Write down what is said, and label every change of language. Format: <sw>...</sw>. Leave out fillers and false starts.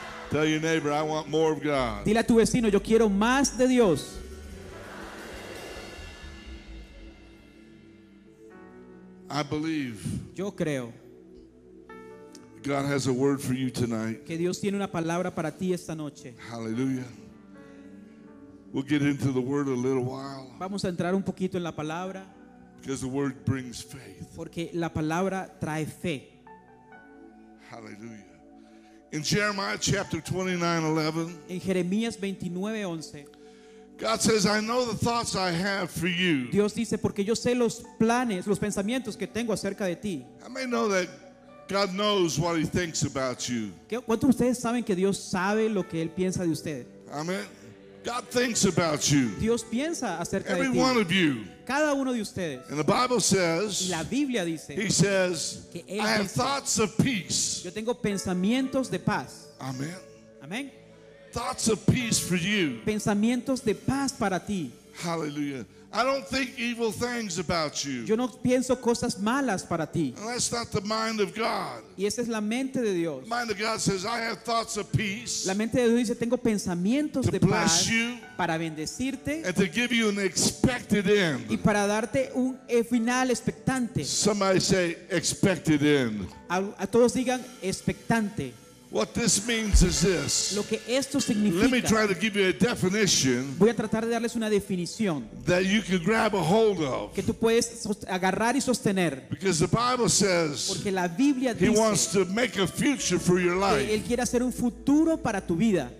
<en>Tell your neighbor, I want more of God.</en> <es>Dile a tu vecino, yo quiero más de Dios.</es> <en>I believe.</en> <es>Yo creo.</es> <en>God has a word for you tonight.</en> <es>Que Dios tiene una palabra para ti esta noche.</es> <en>Hallelujah. We'll get into the word a little while.</en> <es>Vamos a entrar un poquito en la palabra.</es> <en>Because the word brings faith.</en> <es>Porque la palabra trae fe.</es> <en>Hallelujah. In Jeremiah chapter 29:11.</en> <es>En Jeremías 29:11.</es> <en>God says, "I know the thoughts I have for you."</en> <es>Dios dice, porque yo sé los planes, los pensamientos que tengo acerca de ti.</es> <en>I may know that God knows what he thinks about you.</en> <es>¿Cuántos de ustedes saben que Dios sabe lo que él piensa de usted?</es> <en>Amen. God thinks about you.</en> <es>Dios piensa acerca</es> <en>Every</en> <es>de ti.</es> <en>Every one of you.</en> <es>Cada uno de ustedes.</es> <en>And the Bible says.</en> <es>Y la Biblia dice.</es> <en>He says.</en> <es>Que él dice,</es> <en>have thoughts of peace.</en> <es>Yo tengo pensamientos de paz. Amen. Amen.</es> <en>Thoughts of peace for you.</en> <es>Pensamientos de paz para ti.</es> <en>Hallelujah. I don't think evil things about you.</en> <es>Yo no pienso cosas malas para ti.</es> <en>And that's not the mind of God.</en> <es>Y esa es la mente de Dios.</es> <en>The mind of God says, I have thoughts of peace.</en> <es>La mente de Dios dice, tengo pensamientos de paz para bendecirte.</es> <en>And to give you an expected end.</en> <es>Y para darte un final expectante.</es> <en>Somebody say, expected end.</en> <es>A todos digan, expectante.</es> <en>What this means is this.</en> <es>Lo que esto significa,</es> <en>Let me try to give you a definition.</en> <es>Voy a tratar de darles una definición.</es> <en>That you can grab a hold of.</en> <es>Que tú puedes agarrar y sostener.</es> <en>Because the Bible says.</en> <es>Porque la Biblia dice.</es> <en>He wants to make a future for your life.</en> <es>Que él quiere hacer un futuro para tu vida.</es>